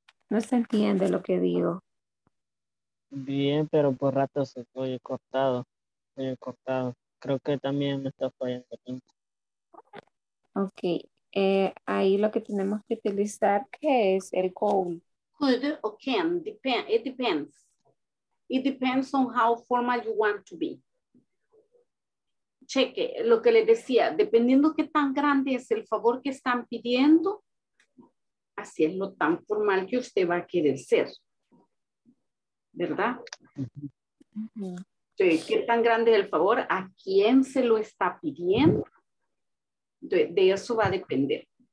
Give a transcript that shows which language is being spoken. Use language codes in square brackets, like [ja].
[es] No se entiende lo que digo. Bien, pero por rato se oye cortado. Oye cortado. Creo que también me está fallando. Ok. Ahí lo que tenemos que utilizar, ¿qué es el call? [en] Could o can. It depends. It depends on how formal you want to be. [es] Cheque, lo que les decía, dependiendo qué tan grande es el favor que están pidiendo, así es lo tan formal que usted va a querer ser. ¿Verdad? Entonces, ¿qué tan grande es el favor? ¿A quién se lo está pidiendo? De eso va a depender.